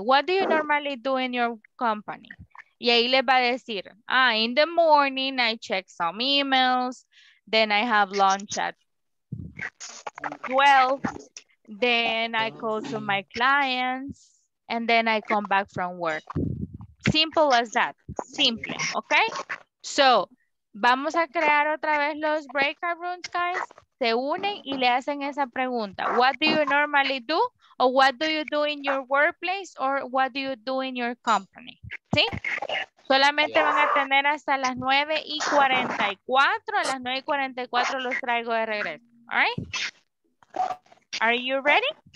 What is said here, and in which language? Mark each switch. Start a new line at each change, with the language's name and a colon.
English: What do you normally do in your company?
Spanish: Y ahí les va a decir,
English: ah, in the morning I check some emails, then I have lunch at 12, then I call to my clients, and then I come back from work. Simple as that. Simple, okay?
Spanish: So, vamos a crear otra vez los breakout rooms, guys. Se unen y le hacen esa pregunta.
English: What do you normally do? Or what do you do in your workplace? Or what do you do in your company?
Spanish: ¿Sí? Solamente van a tener hasta las 9 y 44. A las 9 y 44 los traigo de regreso.
English: All right? Are you ready?